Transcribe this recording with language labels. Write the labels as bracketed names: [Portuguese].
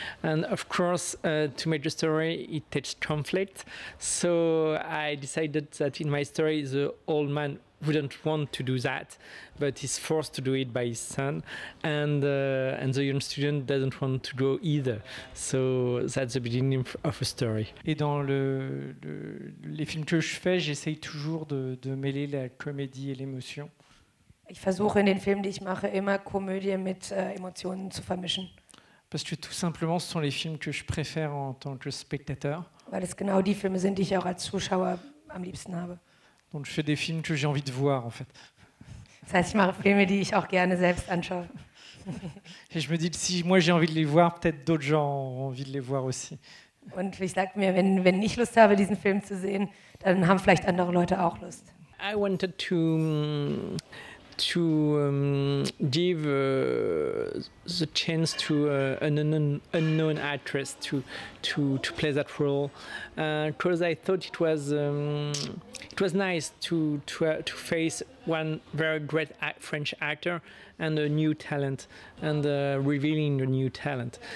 [English] And of course, to make the story, it takes conflict, so I decided that in my story, the old man wouldn't want to do that, but he's forced to do it by his son, and the young student doesn't want to go either. So that's the beginning of a story. [French] Et dans les films que je fais, j'essaye toujours de mêler la comédie et l'émotion. [German] Ich versuche in den Filmen, die ich mache, immer Komödie mit Emotionen zu vermischen. [French] Parce que tout simplement, ce sont les films que je préfère en tant que spectateur. [German] Weil es genau die Filme sind, die ich auch als Zuschauer am liebsten habe. [French] Donc je fais des films que j'ai envie de voir en fait. Ça c'est ma [German] Filme, die ich auch gerne selbst anschaue. [French] Et je me dis si moi j'ai envie de les voir, peut-être d'autres gens ont envie de les voir aussi. [German] Und ich sag mir, wenn ich Lust habe diesen Film zu sehen, dann haben vielleicht andere Leute auch Lust. [English] I wanted to give the chance to an unknown actress to play that role, because I thought it was nice to face one very great French actor and a new talent, and revealing a new talent.